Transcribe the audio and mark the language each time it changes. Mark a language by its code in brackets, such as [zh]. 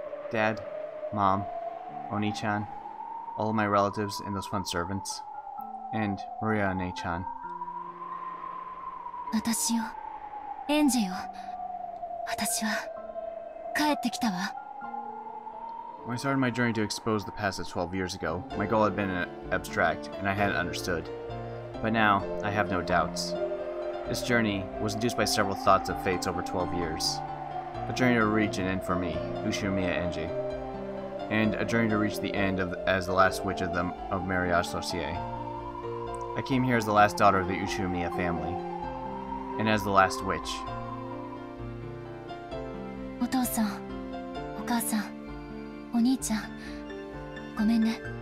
[en] Dad, Mom, Oni-chan, all of my relatives and those fun servants, and Maria and A-chan. [ja] 私よ。エンジェよ、私は帰ってきたわ。 [en] When I started my journey to expose the past of 12 years ago, my goal had been abstract and I hadn't understood. But now, I have no doubts. This journey was induced by several thoughts of fates over 12 years. A journey to reach an end for me, Ushurumiya Enji. And a journey to reach the end of, as the last witch of, them, of Mariage Sorcier. I came here as the last daughter of the Ushurumiya family. and as the last witch. [ja] お父さん、 お母さん、 お兄ちゃん、 ごめんね。